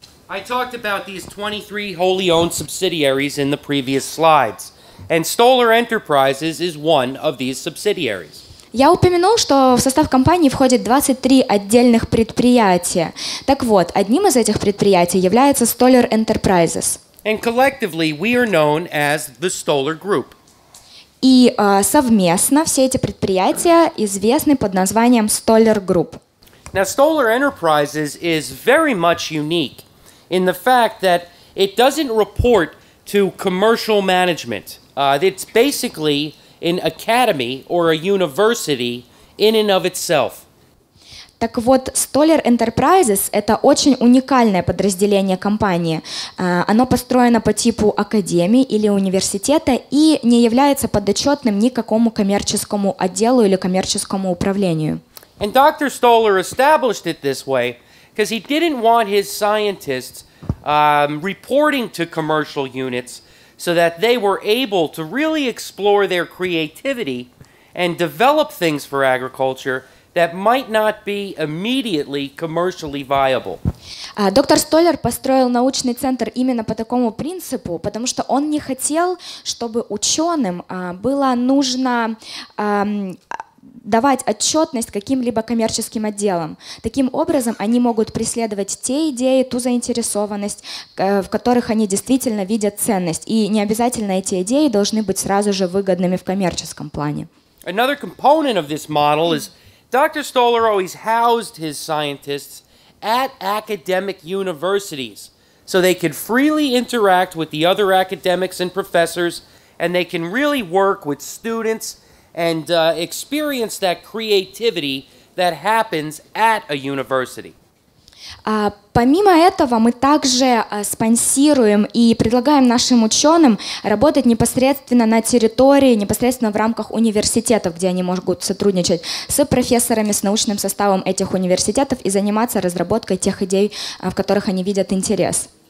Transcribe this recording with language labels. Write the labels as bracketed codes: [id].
[en] I talked about these 23 wholly owned subsidiaries in the previous slides, and Stoller Enterprises is one of these subsidiaries. [ru] Я упомянул, что в состав компании входит 23 отдельных предприятия. Так вот, одним из этих предприятий является Stoller Enterprises. [en] And collectively, we are known as the Stoller Group. [ru] И совместно все эти предприятия известны под названием Stoller Group. [en] Now, Stoller Enterprises is very much unique in the fact that it doesn't report to commercial management. It's basically an academy or a university in and of itself. [ru] Так вот, Stoller Enterprises — это очень уникальное подразделение компании. Оно построено по типу академии или университета и не является подотчетным никакому коммерческому отделу или коммерческому управлению. [en] And Dr. Stoller established it this way because he didn't want his scientists reporting to commercial units so that they were able to really explore their creativity and develop things for agriculture that might not be immediately commercially viable. [ru] Доктор Столяр построил научный центр именно по такому принципу, потому что он не хотел, чтобы ученым было нужно давать отчетность каким-либо коммерческим отделам. Таким образом, они могут преследовать те идеи, ту заинтересованность, в которых они действительно видят ценность. И не обязательно эти идеи должны быть сразу же выгодными в коммерческом плане. [en] Another component of this model is Dr. Stoller always housed his scientists at academic universities so they could freely interact with the other academics and professors and they can really work with students and experience that creativity that happens at a university. [ru] Помимо этого, мы также спонсируем и предлагаем нашим ученым работать непосредственно на территории, непосредственно в рамках университетов, где они могут сотрудничать с профессорами, с научным составом этих университетов и заниматься разработкой тех идей, в которых они видят интерес.